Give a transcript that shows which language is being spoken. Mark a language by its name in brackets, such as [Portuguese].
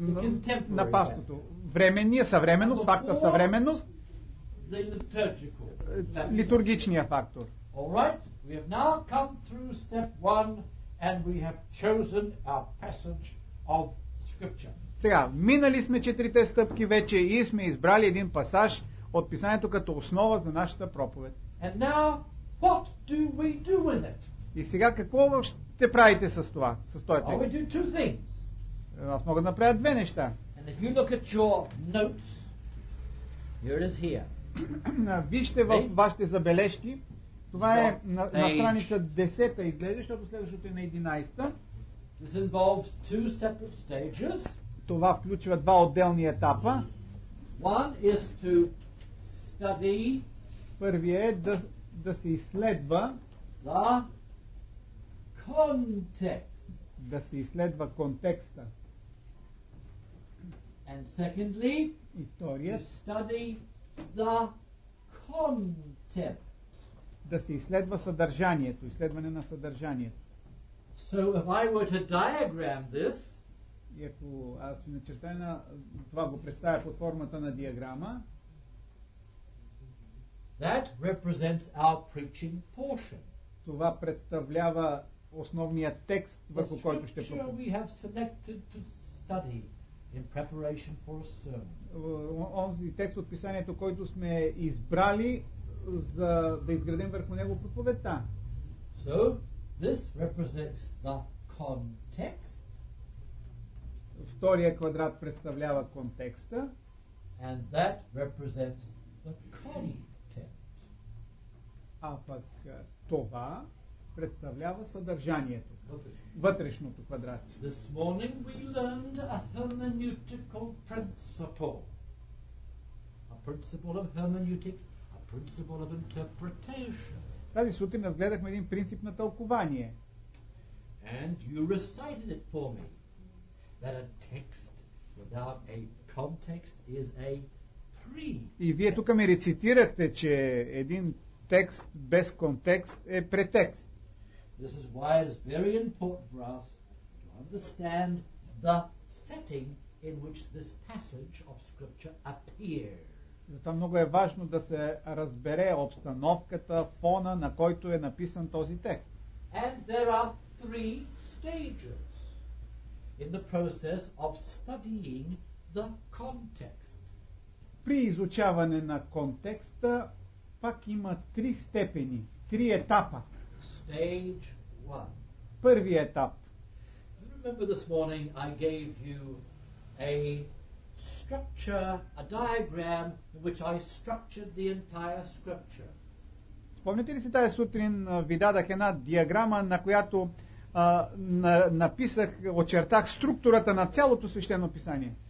[English] The contemporary [Bulgarian] на пастото. Временния, съвременност, факта съвременност. [English] The liturgical factor. [Bulgarian] Литургичния фактор. [English] All right. We have now come through step one and we have chosen our passage of scripture. [Bulgarian] Сега, минали сме четирите стъпки вече и сме избрали един пасаж от писанието като основа за нашата проповед. [English] And now, what do we do with it? [Bulgarian] И сега какво ще правите с това? С този [English] текст? We do two things. [Bulgarian] Аз мога да направя две неща. [English] And if you look at your notes, here it is here. [Bulgarian] Вижте във вашите забележки. Това е на страница 10-та изглежда, защото следващото е на 11-та. [English] This involves two separate stages. [Bulgarian] Това включва два отделни етапа. [English] One is to study. [Bulgarian] Първият е да се изследва [English] the context. [Bulgarian] Да се изследва контекста. [English] And secondly, [Bulgarian] и вторият, [English] to study the content. [Bulgarian] Да се изследва съдържанието, изследване на съдържанието. [English] So if I were to diagram this, [Bulgarian] Иако аз ви начертая на това го представя под формата на диаграма. [English] That represents our preaching portion. [Bulgarian] Това представлява основния текст, върху който ще проповядваме. [English] We have selected to study in preparation for a sermon. [Bulgarian] Онзи текст от писанието, който сме избрали за да изградим върху него проповедта. [English] So, this represents the context. [Bulgarian] Втория квадрат представлява контекста. [English] And that represents the content. [Bulgarian] А пък това представлява съдържанието. Вътрешното квадратче. [English] This morning we learned a hermeneutical principle. A principle of hermeneutics, a principle of interpretation. [Bulgarian] Тази сутрин разгледахме един принцип на тълкование. [English] And you recited it for me. That a text without a context is a pretext. [Bulgarian] И вие тук ми рецитирахте, че един текст без контекст е претекст. [English] This is why it is very important for us to understand the setting in which this passage of scripture appears. [Bulgarian] Затова много е важно да се разбере обстановката, фона, на който е написан този текст. [English] And there are three stages in the process of studying the context. [Bulgarian] При изучаване на контекста пак има три степени, три етапа. [English] Stage one. [Bulgarian] Първи етап. [English] You remember this morning I gave you a structure, a diagram in which I structured the entire scripture. [Bulgarian] Спомните ли си тази сутрин ви дадах една диаграма, на която написах, очертах структурата на цялото свещено писание.